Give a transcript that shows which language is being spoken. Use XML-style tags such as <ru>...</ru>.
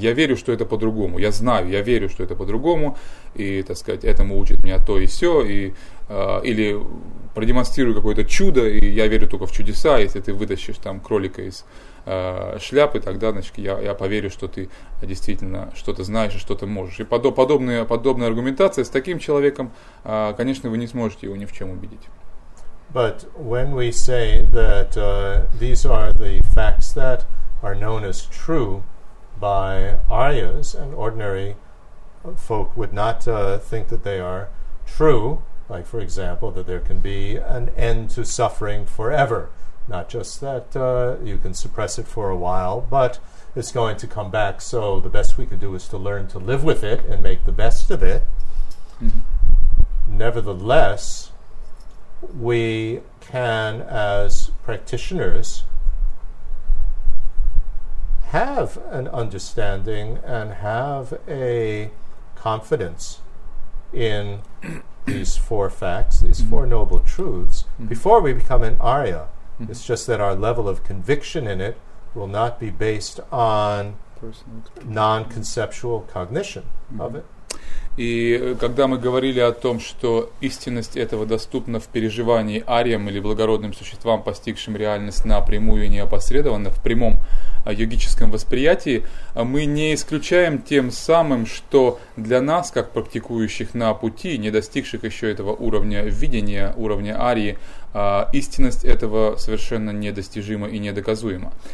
<ru>Я верю, что это по-другому, я знаю, я верю, что это по-другому, и, так сказать, этому учит меня то и сё, или продемонстрирую какое-то чудо, и я верю только в чудеса, если ты вытащишь там кролика из шляпы, тогда, значит, я поверю, что ты действительно что-то знаешь и что-то можешь. И подобная аргументация с таким человеком, конечно, вы не сможете его ни в чем убедить.</ru> <en>But when we say that these are the facts that are known as true by Aryas, and ordinary folk would not think that they are true, like, for example, that there can be an end to suffering forever, not just that you can suppress it for a while, but it's going to come back, so the best we can do is to learn to live with it and make the best of it. Mm-hmm. Nevertheless, we can, as practitioners, have an understanding and have a confidence in these four facts, these four noble truths, before we become an Arya. It's just that our level of conviction in it will not be based on non-conceptual cognition of it.</en> <ru>И когда мы говорили о том, что истинность этого доступна в переживании арьям или благородным существам, постигшим реальность напрямую и неопосредованно, в прямом йогическом восприятии, мы не исключаем тем самым, что для нас, как практикующих на пути, не достигших еще этого уровня видения, уровня арьи, истинность этого совершенно недостижима и недоказуема.</ru>